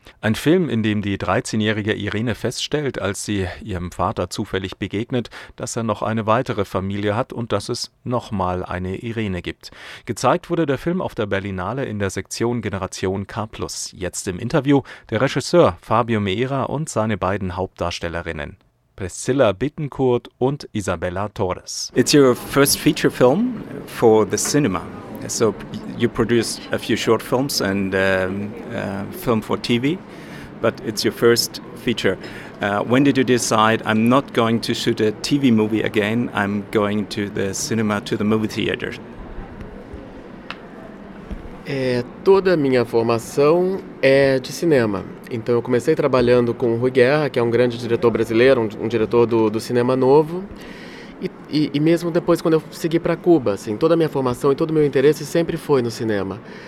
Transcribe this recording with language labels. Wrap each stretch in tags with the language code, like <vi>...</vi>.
<de>Ein Film, in dem die 13-jährige Irene feststellt, als sie ihrem Vater zufällig begegnet, dass er noch eine weitere Familie hat und dass es nochmal eine Irene gibt. Gezeigt wurde der Film auf der Berlinale in der Sektion Generation K+. Jetzt im Interview der Regisseur Fabio Meira und seine beiden Hauptdarstellerinnen, Priscilla Bittencourt und Isabella Torres.</de> <en>It's your first feature film for the cinema. So you produced a few short films and film for TV, but it's your first feature. When did you decide, I'm not going to shoot a TV movie again, I'm going to the cinema, to the movie theater?</en> <pt>Toda a minha formação é de cinema. Então eu comecei trabalhando com o Rui Guerra, que é um grande diretor brasileiro, um diretor do cinema novo. E mesmo depois, quando eu segui para Cuba, assim, toda a minha formação e todo o meu interesse sempre foi no cinema.</pt>